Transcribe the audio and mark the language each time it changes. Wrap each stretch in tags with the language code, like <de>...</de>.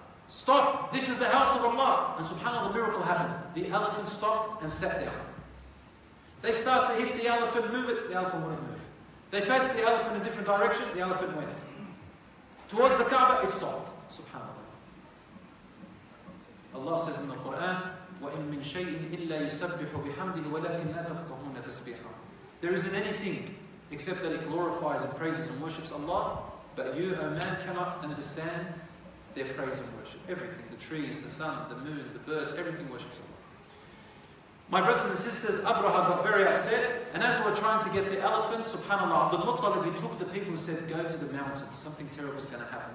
<en>Stop, this is the house of Allah. And subhanAllah, the miracle happened. The elephant stopped and sat down. They start to hit the elephant, move it. The elephant wouldn't move. They faced the elephant in a different direction. The elephant went. Towards the Kaaba, it stopped. SubhanAllah. Allah says in the Quran,</en> <ar>وَإِن مِّن شَيْءٍ إِلَّا يُسَبِّحُ بِحَمْدِهِ وَلَكِنْ لَا تَفْقَهُونَ تَسْبِيحًا.</ar> <en>There isn't anything except that it glorifies and praises and worships Allah, but you, O man, cannot understand their praise and worship. Everything, the trees, the sun, the moon, the birds, everything worships Allah. My brothers and sisters, Abraha got very upset, and as we're trying to get the elephant, subhanAllah, Abdul Muttalib, he took the people and said, go to the mountain, something terrible is going to happen.</en>